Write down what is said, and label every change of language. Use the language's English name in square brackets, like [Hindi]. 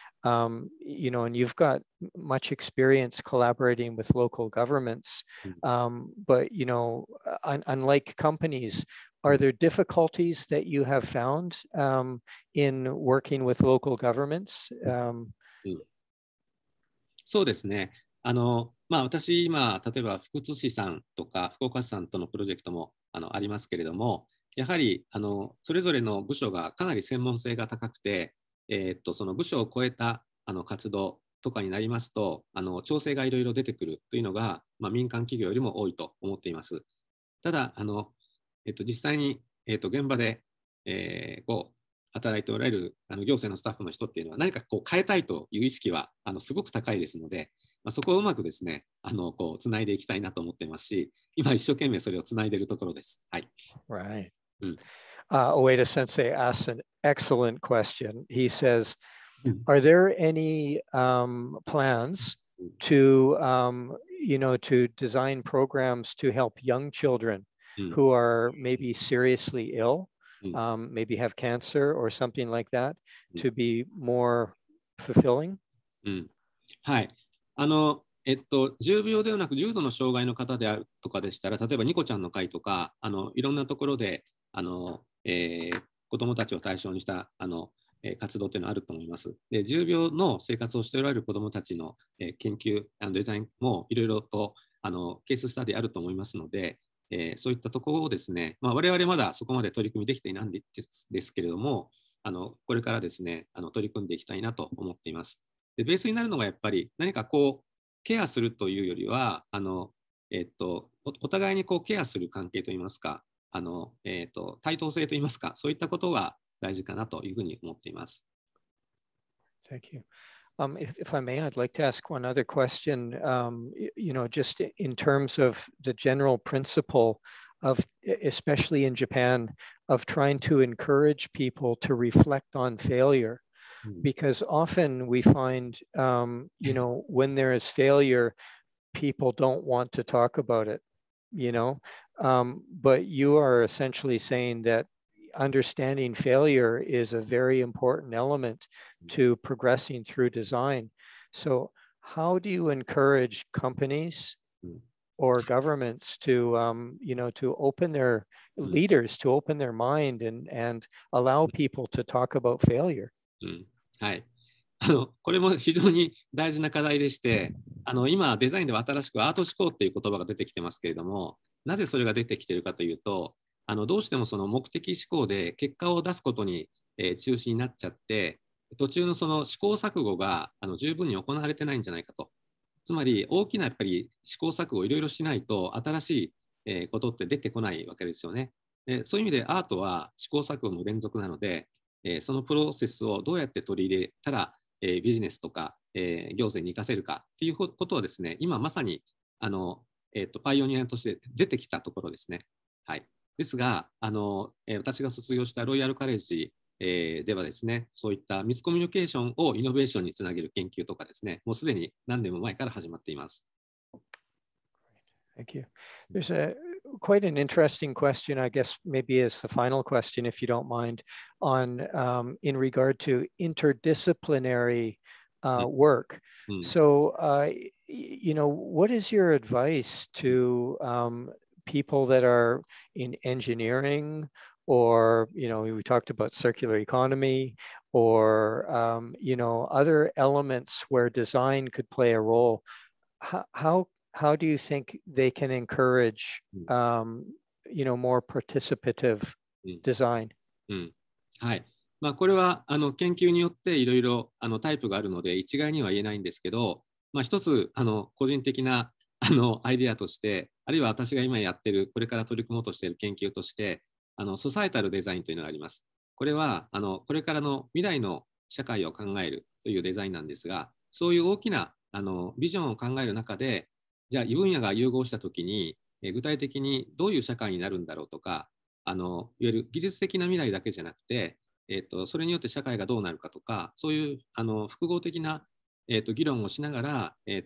[English] You know, and you've got much experience collaborating with local governments, but, you know, unlike companies, are there difficulties that you have found in working with local governments? [Japanese] そうですね。あの、まあ、私、今、例えば福津市さんとか福岡市さんとのプロジェクトも、あの、ありますけれども、やはり、あの、それぞれの部署がかなり専門性が高くて、その部署を超えた、あの、活動とかになりますと、あの、調整がいろいろ出てくるというのが、まあ、民間企業よりも多いと思っています。ただ、あの、実際に、現場で、こう働いておられる、あの、行政のスタッフの人っていうのは、何かこう変えたいという意識は、あの、すごく高いですので、まあ、そこをうまくですね、あの、こうつないでいきたいなと思ってますし、今一生懸命それをつないでるところです。はい。 [English] Right. Ueda Sensei asks an excellent question. He says, are there any plans to, you know, to design programs to help young children who are maybe seriously ill, maybe have cancer or something like that, to be more fulfilling? [Japanese] はい。あの、重病ではなく重度の障害の方であるとかでしたら、例えばニコちゃんの会とか、あの、いろんなところで、あの、子どもたちを対象にした、あの、活動というのはあると思います。で、重病の生活をしておられる子どもたちの、研究、あの、デザインもいろいろと、あのケーススタディあると思いますので、そういったところをですね、まあ、我々まだそこまで取り組みできていないんですけれども、あのこれからですね、あの取り組んでいきたいなと思っています。でベースになるのがやっぱり何かこうケアするというよりは、あの、お互いにこうケアする関係といいますか、あの、対等性といいますか、そういったことが大事かなというふうに思っています。 [English] Thank you. If I may, I'd like to ask one other question. You know, just in terms of the general principle of, especially in Japan, of trying to encourage people to reflect on failure. Because often we find, you know, when there is failure, people don't want to talk about it, you know. But you are essentially saying that understanding failure is a very important element to progressing through design. So how do you encourage companies or governments to, you know, to open their leaders, to open their mind and allow people to talk about failure? [Japanese] はい、あのこれも非常に大事な課題でして、あの今デザインでは新しくアート思考っていう言葉が出てきてますけれども、なぜそれが出てきてるかというと、あのどうしてもその目的思考で結果を出すことに、中心になっちゃって、途中のその試行錯誤があの十分に行われてないんじゃないかと。つまり大きなやっぱり試行錯誤をいろいろしないと新しい、ことって出てこないわけですよね。でそういう意味でアートは試行錯誤の連続なので、そのプロセスをどうやって取り入れたら、ビジネスとか、行政に生かせるかということはですね、今まさにあの、パイオニアとして出てきたところですね、はい、ですがあの、私が卒業したロイヤルカレッジ、ではですね、そういったミスコミュニケーションをイノベーションにつなげる研究とかですね、もうすでに何年も前から始まっています。 [English] Thank you. There's aQuite an interesting question, I guess maybe is the final question, if you don't mind, on, in regard to interdisciplinary, work. So, you know, what is your advice to, people that are in engineering, or, you know, we talked about circular economy, or, you know, other elements where design could play a role? How do you think they can encourage, you know, more participative design? [Japanese] はい。まあ、これはあの研究によっていろいろあのタイプがあるので一概には言えないんですけど、まあ、一つあの個人的なあのアイデアとして、あるいは私が今やってるこれから取り組もうとしている研究として、あのソサイタルデザインというのがあります。これはあのこれからの未来の社会を考えるというデザインなんですが、そういう大きなあのビジョンを考える中で、じゃあ分野が融合したときに、具体的にどういう社会になるんだろうとか、あのいわゆる技術的な未来だけじゃなくて、それによって社会がどうなるかとか、そういうあの複合的な、議論をしながら、